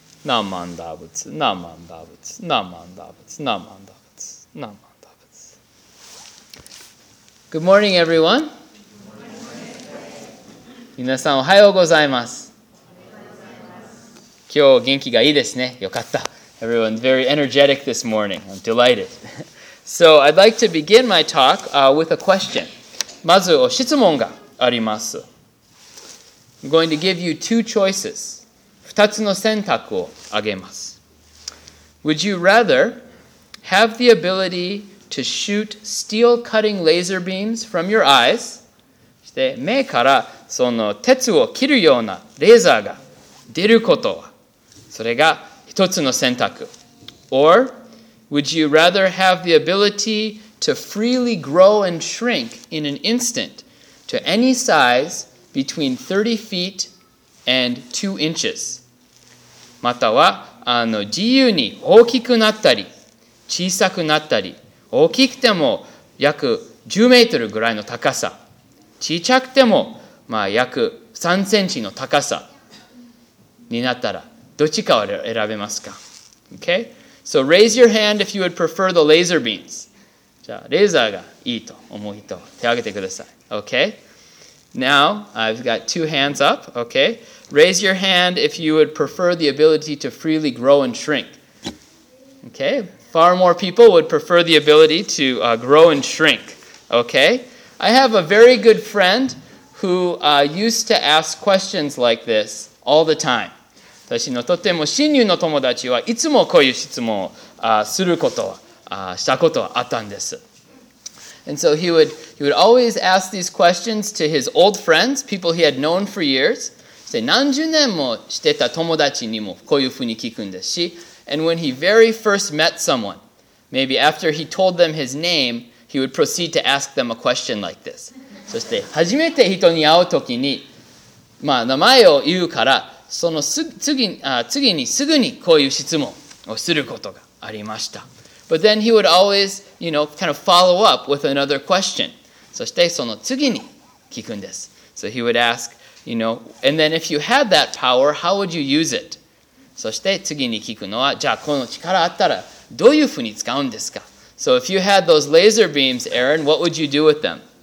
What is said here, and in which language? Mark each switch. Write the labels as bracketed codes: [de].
[ja] ナマンダブツ、ナマンダブツ、ナマンダブツ、ナマンダブツ、ナマンダブツ。 [en] Good morning, everyone. [ja] 皆さんおはようございます。今日元気がいいですね。よかった。 [en] Everyone's very energetic this morning. I'm delighted. So I'd like to begin my talk with a question. [ja] まず質問があります。 [en] I'm going to give you two choices. [ja] 二つの選択をあげます。 [en] Would you rather have the ability to shoot steel cutting laser beams from your eyes? [ja] そして目からその鉄を切るようなレーザーが出ることは、それが一つの選択。 [en] Or would you rather have the ability to freely grow and shrink in an instant to any size between 30 feet and 2 inches? [ja] または、自由に大きくなったり、小さくなったり、大きくても約10メートルぐらいの高さ、小さくても、まあ、約3センチの高さになったら、どっちかを選べますか？ [en] Okay? So raise your hand if you would prefer the laser beams. [ja] じゃあ、レーザーがいいと思う人、手を挙げてください。 [en] Okay? Now, I've got two hands up, okay? Raise your hand if you would prefer the ability to freely grow and shrink. Okay? Far more people would prefer the ability to grow and shrink, okay? I have a very good friend who used to ask questions like this all the time. [ja] 私のとても親友の友達はいつもこういう質問をすることはしたことはあったんです。 [en] And so he would always ask these questions to his old friends, people he had known for years. [ja] 何十年もしてた友達にもこういうふうに聞くんですし。 [en] And when he very first met someone, maybe after he told them his name, he would proceed to ask them a question like this. [ja] そして初めて人に会うときに、まあ名前を言うから、その次にすぐにこういう質問をすることがありました。 [en] But then he would always, you know, kind of follow up with another question. [ja] そしてその次に聞くんです。 [en] So he would ask, you know, and then if you had that power, how would you use it? [ja] そして次に聞くのは、じゃあこの力あったらどういうふうに使うんですか? [en] So if you had those laser beams, Aaron, what would you do with them?